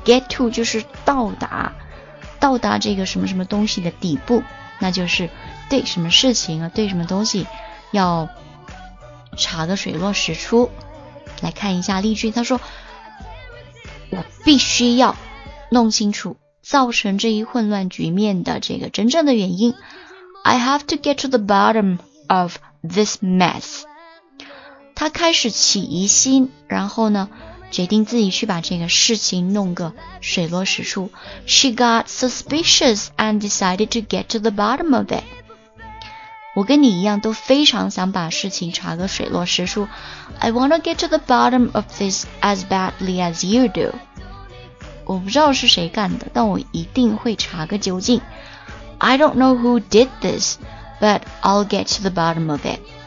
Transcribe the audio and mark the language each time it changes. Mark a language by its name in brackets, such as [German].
[Chinese] Get to 就是到达这个什么什么东西的底部，那就是对什么事情啊，对什么东西要查个水落石出。来看一下例句，他说我必须要弄清楚造成这一混乱局面的这个真正的原因。 [English] I have to get to the bottom of this mess. [Chinese] 他开始起疑心，然后呢决定自己去把这个事情弄个水落石出。 [English] She got suspicious and decided to get to the bottom of it. [Chinese] 我跟你一样都非常想把事情查个水落石出。 [English] I want to get to the bottom of this as badly as you do. [Chinese] 我不知道是谁干的，但我一定会查个究竟。 [English] I don't know who did this, but I'll get to the bottom of it.